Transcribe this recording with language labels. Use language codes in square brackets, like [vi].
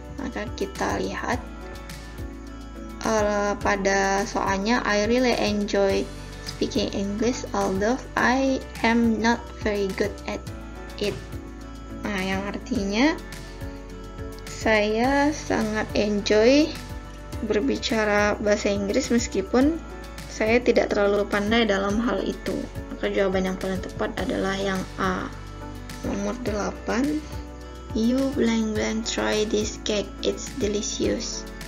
[id] Maka kita lihat pada soalnya, [en] I really enjoy speaking English although I am not very good at it. [id] Nah, yang artinya saya sangat enjoy berbicara bahasa Inggris meskipun saya tidak terlalu pandai dalam hal itu. Maka jawaban yang paling tepat adalah yang A. [en] Nomor 8, you blank blank try this cake, it's delicious.